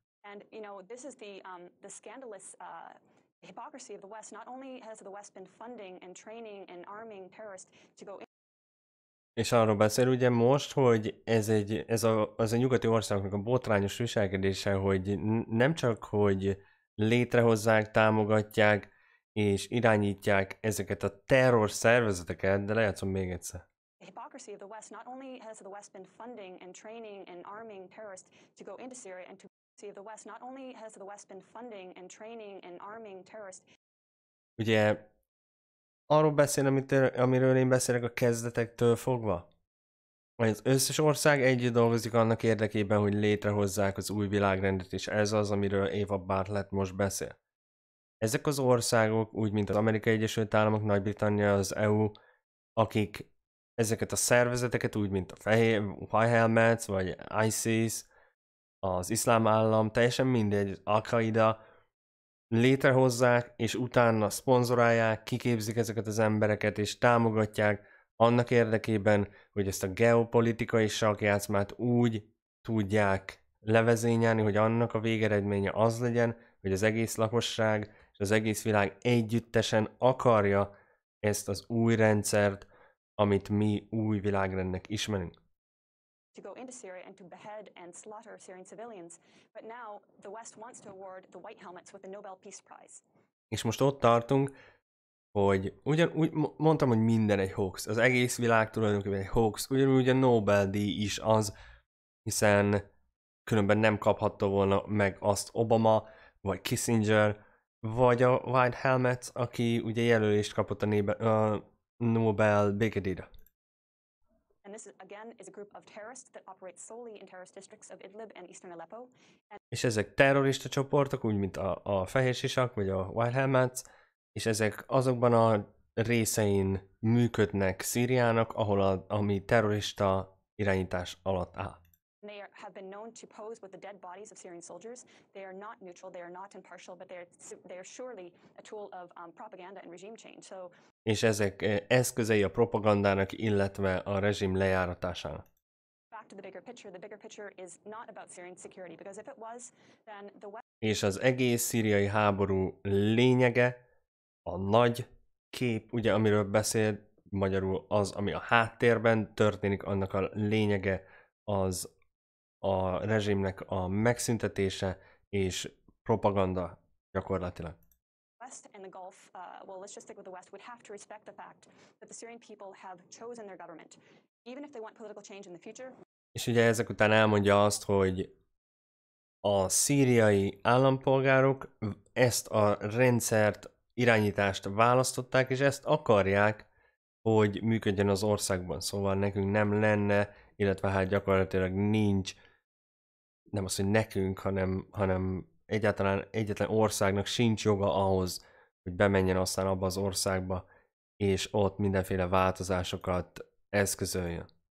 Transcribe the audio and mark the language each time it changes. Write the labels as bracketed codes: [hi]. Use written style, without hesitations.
[en] And this is the scandalous hypocrisy of the West. Not only has the West been funding and training and arming terrorists to go in. [hu] És arról beszél ugye most, hogy ez a nyugati országoknak a botrányos viselkedése, hogy nem csak, hogy létrehozzák, támogatják és irányítják ezeket a terror szervezeteket, de lejátszom még egyszer. [en] The hypocrisy of the West, not only has the West been funding and training and arming terrorists to go into Syria and to see the West, not only has the West been funding and training and arming terrorists. [hu] Ugye arról beszél, amiről én beszélek a kezdetektől fogva? Az összes ország együtt dolgozik annak érdekében, hogy létrehozzák az új világrendet, és ez az, amiről Eva Bartlett most beszél. Ezek az országok, úgy mint az Amerikai Egyesült Államok, Nagy-Britannia, az EU, akik ezeket a szervezeteket, úgy mint a Fehér, White Helmets, vagy ISIS, az Iszlám Állam, teljesen mindegy, Al-Qaida, létrehozzák, és utána szponzorálják, kiképzik ezeket az embereket, és támogatják annak érdekében, hogy ezt a geopolitikai sakkjátszmát úgy tudják levezényelni, hogy annak a végeredménye az legyen, hogy az egész lakosság és az egész világ együttesen akarja ezt az új rendszert, amit mi új világrendnek ismerünk. [en] To go into Syria and to behead and slaughter Syrian civilians, but now the West wants to award the White Helmets with the Nobel Peace Prize. [hu] És most ott tartunk, hogy ugyanúgy mondtam, hogy minden egy hoax, az egész világ tulajdonképpen egy hoax, ugyanúgy a Nobel-díj is az, hiszen különben nem kaphatta volna meg azt Obama, vagy Kissinger, vagy a White Helmets, aki ugye jelölést kapott a Nobel békedíjra. [en] And this is, again is a group of terrorists that operate solely in terrorist districts of Idlib and eastern Aleppo. And [hu] és ezek terrorista csoportok, úgy mint a Fehér Sisak vagy a White Helmets, és ezek azokban a részein működnek Szíriának, ahol ami terrorista irányítás alatt áll. [en] They are, have been known to pose with the dead bodies of Syrian soldiers. They are not neutral, they are not impartial, but they are surely a tool of propaganda and regime change. So [hu] és ezek eszközei a propagandának, illetve a rezsim lejáratásának. [en] Back to the bigger picture. The bigger picture is not about Syrian security, because if it was, then the West. [hu] És az egész szíriai háború lényege, a nagy kép, ugye amiről beszél, magyarul az, ami a háttérben történik, annak a lényege az a rezsimnek a megszüntetése és propaganda gyakorlatilag. [en] West and the Gulf, well, let's just stick with the West, would have to respect the fact that the Syrian people have chosen their government, even if they want political change in the future. [hu] És ugye ezek után elmondja azt, hogy a szíriai állampolgárok ezt a rendszert, irányítást választották, és ezt akarják, hogy működjön az országban. Szóval nekünk nem lenne, illetve hát gyakorlatilag nincs, nem az, hogy nekünk, hanem egyáltalán egyetlen országnak sincs joga ahhoz, hogy bemenjen aztán abba az országba, és ott mindenféle változásokat eszközöljön.